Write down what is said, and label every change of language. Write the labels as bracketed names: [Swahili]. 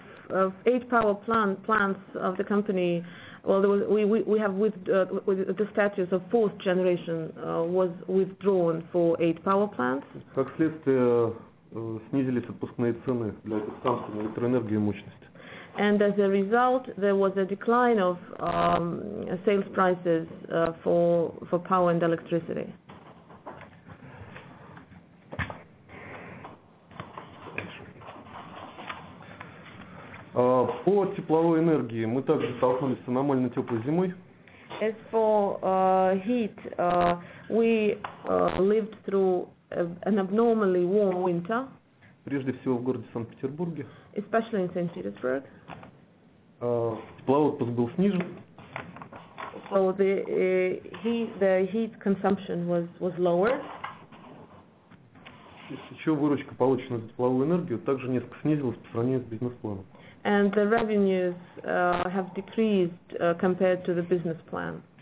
[English] Of 8 power plants of the company, well, there was, we have with the status of fourth generation was withdrawn for 8 power plants. [Russian] Как следствие, снизились отпускные цены для станций на электроэнергию и мощность. [English] And as a result, there was a decline of sales prices for power and electricity. [Russian] По тепловой энергии мы также столкнулись с аномально теплой зимой. [English] As for heat, we lived through an abnormally warm winter. [Russian] Прежде всего в городе Санкт-Петербурге. [English] Especially in St. Petersburg. [Russian] Тепловой отпуск был снижен. [English] So the heat consumption was lower. [Russian] Еще выручка, полученная за тепловую энергию, также несколько снизилась по сравнению с бизнес-планом. [English] And the revenues have decreased compared to the business plan.